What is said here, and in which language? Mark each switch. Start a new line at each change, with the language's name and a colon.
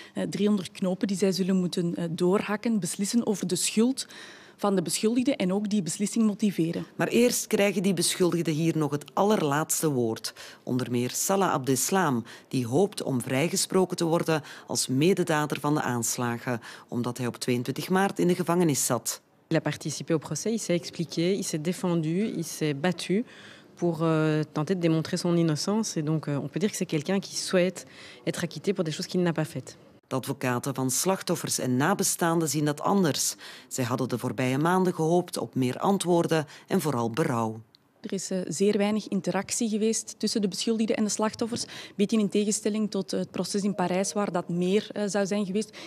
Dutch: 300 knopen die zij zullen moeten doorhakken, beslissen over de schuld van de beschuldigde en ook die beslissing motiveren. Maar eerst krijgen die beschuldigden hier nog het allerlaatste woord. Onder meer Salah Abdeslam, die hoopt om vrijgesproken te worden als mededader van de aanslagen, omdat hij op 22 maart in de gevangenis zat. Hij heeft
French: participé au procès, il s'est expliqué, il s'est défendu, il s'est battu pour tenter de démontrer son innocence. Et donc on peut dire que c'est quelqu'un qui souhaite être acquitté pour des choses qu'il n'a pas faites.
Dutch: De advocaten van slachtoffers en nabestaanden zien dat anders. Zij hadden de voorbije maanden gehoopt op meer antwoorden en vooral berouw. Er is zeer weinig interactie geweest tussen de beschuldigden en de slachtoffers. Een beetje in tegenstelling tot het proces in Parijs, waar dat meer zou zijn geweest.